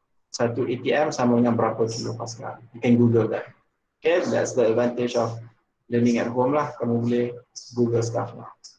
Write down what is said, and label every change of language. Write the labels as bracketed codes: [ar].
[ms] 1 ATM sama dengan berapa kilopascal. [en] You can google that. Okay, that's the advantage of learning at home lah. [ms] Kamu boleh google stuff lah.